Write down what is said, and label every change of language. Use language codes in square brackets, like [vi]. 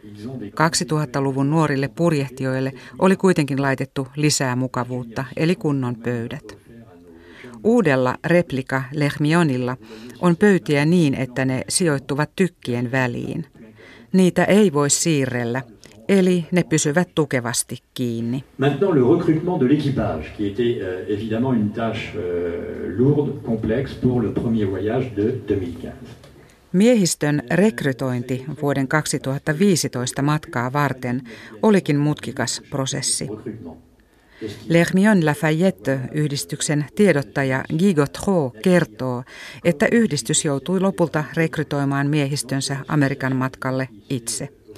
[fi] 2000-luvun nuorille purjehtijoille oli kuitenkin laitettu lisää mukavuutta, eli kunnon pöydät. Uudella replika Lehmionilla on pöytiä niin, että ne sijoittuvat tykkien väliin. Niitä ei voi siirrellä, eli ne pysyvät tukevasti kiinni. [fr] Maintenant le recrutement de l'équipage qui était évidemment une tâche lourde, complexe pour le premier voyage de 2015. [fi] Miehistön rekrytointi vuoden 2015 matkaa varten olikin mutkikas prosessi. Lermion Lafayette-yhdistyksen tiedottaja Gigot Ho kertoo, että yhdistys joutui lopulta rekrytoimaan miehistönsä Amerikan matkalle itse.